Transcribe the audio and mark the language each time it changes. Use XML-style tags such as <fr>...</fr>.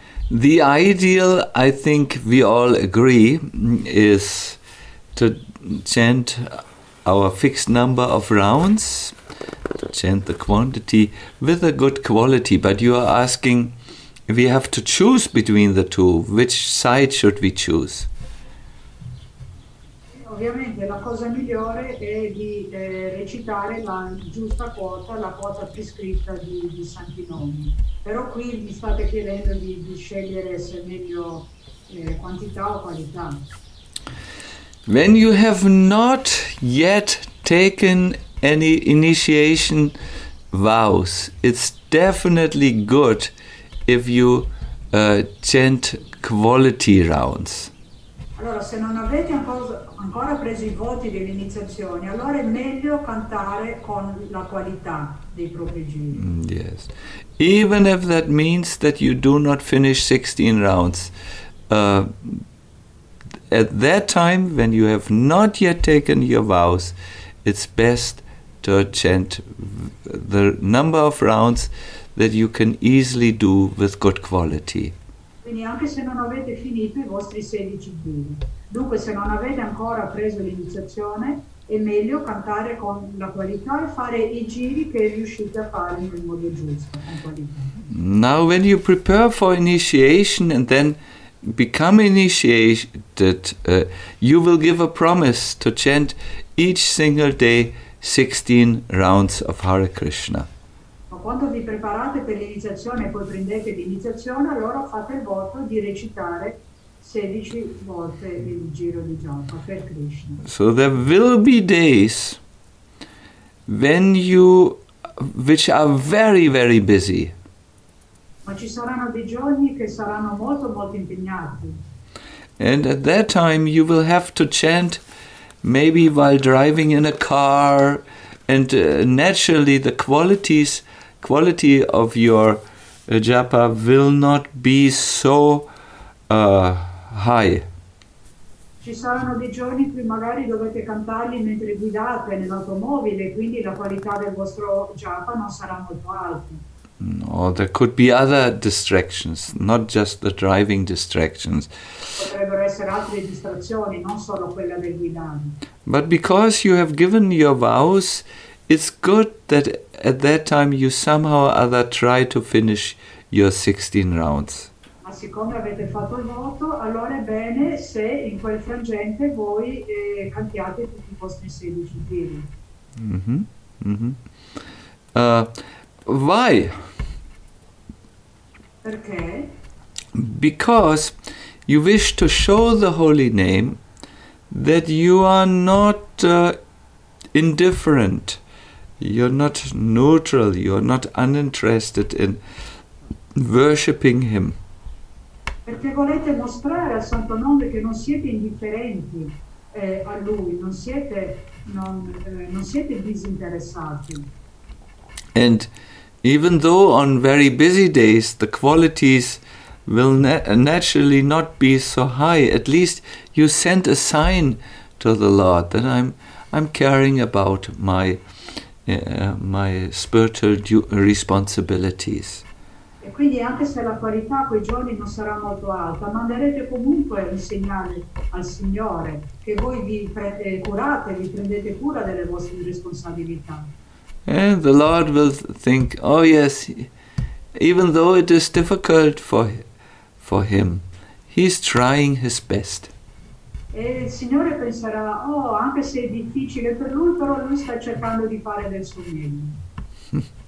<en>The ideal, I think we all agree, is to chant our fixed number of rounds, chant the quantity with a good quality. But you are asking, if we have to choose between the two, which side should we choose?</en> <it>Ovviamente la cosa migliore è di recitare la giusta quota, la quota prescritta di santi nomi. Però qui mi state chiedendo di scegliere se meglio quantità o qualità.</it> <en>When you have not yet taken any initiation vows, it's definitely good if you chant quality rounds.</en> <it>Allora, se non avete ancora preso i voti dell'iniziazione, allora è meglio cantare con la qualità dei propri giri.</it> <en>Yes. Even if that means that you do not finish 16 rounds, at that time, when you have not yet taken your vows, it's best to chant the number of rounds that you can easily do with good quality.</en> <it>Quindi anche se non avete finito i vostri 16 giri. Dunque, se non avete ancora preso l'iniziazione, è meglio cantare con la qualità e fare i giri che riuscite a fare nel modo giusto, con qualità.</it> <en>Now, when you prepare for initiation and then become initiated, you will give a promise to chant each single day 16 rounds of Hare Krishna.</en> <it>Quando vi preparate per l'iniziazione e poi prendete l'iniziazione, allora fate il voto di recitare 16 volte il giro di Japa per Krishna.</it> <en>So there will be days when you, which are very, very busy.</en> <it>Ma ci saranno dei giorni che saranno molto, molto impegnati.</it> <en>And at that time you will have to chant, maybe while driving in a car, and naturally the quality of your japa will not be so high.</en> <it>Ci saranno dei giorni in cui magari dovete cantarli mentre guidate nell'automobile, quindi la qualità del vostro japa non sarà molto alta.</it> <en>No, there could be other distractions, not just the driving distractions.</en> <it>Potrebbero essere altre distrazioni, non solo quella del guidare.</it> <en>But because you have given your vows, it's good that at that time you somehow or other try to finish your 16 rounds.</en> <it>Ma siccome avete fatto il voto, allora è bene se in quel frangente voi cantiate tutti i vostri 16 giri.</it> <en>Why?</en> <it>Perché?</it> <en>Because you wish to show the holy name that you are not indifferent. You're not neutral, you're not uninterested in worshipping him.</en> <it>Perché volete mostrare al Santo Nome che non siete indifferenti a lui, non siete disinteressati.</it> <en>And even though on very busy days the qualities will naturally not be so high, at least you send a sign to the Lord that I'm caring about my spiritual responsibilities.</en> <it>E quindi anche se la qualità quei giorni non sarà molto alta, manderete comunque un segnale al Signore che voi vi prendete cura delle vostre responsabilità.</it> <en>And the Lord will think, oh yes, even though it is difficult for him, he's trying his best.</en> <it>E il Signore penserà, oh, anche se è difficile per lui, però lui sta cercando di fare del suo meglio.</it>